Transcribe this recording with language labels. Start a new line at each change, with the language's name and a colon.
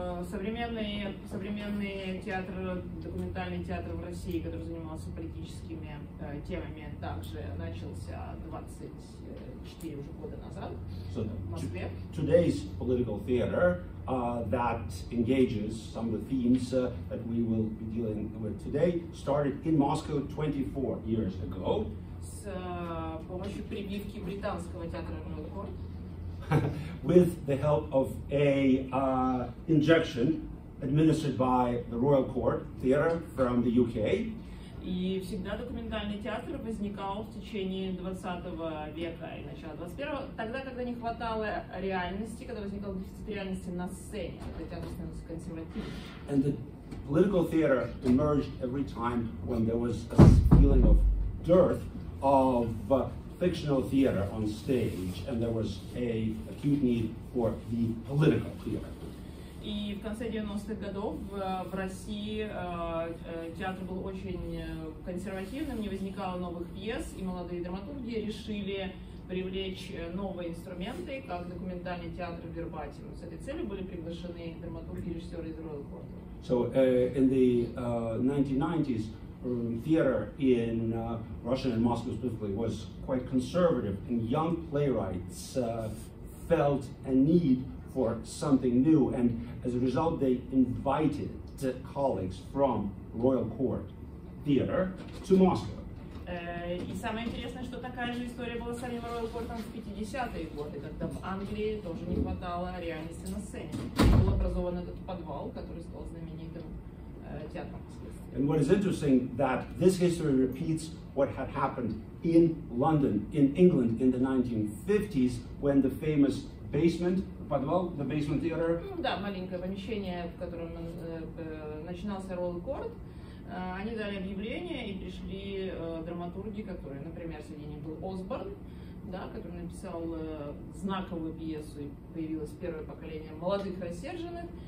Russian: Современный театр, документальный театр в России, который занимался политическими темами, также начался 24 уже года назад
English: so
Russian: в Москве.
English: Today's political theater that engages some of the themes that we will be dealing with today started in Moscow 24 years ago.
Russian: С помощью прибивки британского театра Curt.
English: With the help of a injection administered by the Royal Court Theatre from the UK.
Russian: И всегда документальный театр возникал в течение 20 века и начала 21-го, тогда, когда не хватало реальности, когда возникал дефицит реальности на сцене, когда театр становился консервативным.
English: And the political theatre emerged every time when there was a feeling of dearth of fictional theater on stage, and there was a acute need for the political theater.
Russian: И в конце 90-х годов в России театр был очень консервативным, не возникало новых пьес, и молодые драматурги решили привлечь новые инструменты, как документальный театр в Вербате. С этой целью были приглашены драматурги и режиссеры из Royal Court.
English: So in the 1990s, theater in Russia and Moscow specifically was quite conservative, and young playwrights felt a need for something new, and as a result they invited colleagues from Royal Court Theater to Moscow.
Russian: И самое интересное, что такая же история была с самим Royal Court в 50-е годы, когда в Англии тоже не хватало реальности на сцене. Был образован этот подвал, который стал знаменитым театром.
English: And what is interesting that this history repeats what had happened in London, in England, in the 1950s, when the famous basement, подвал, the basement theater.
Russian: Да, маленькое помещение, в котором начинался Royal Court. Они дали объявление и пришли драматурги, которые, например, среди них был Осборн, да, который написал знаковую пьесу и появилось первое поколение молодых рассерженных.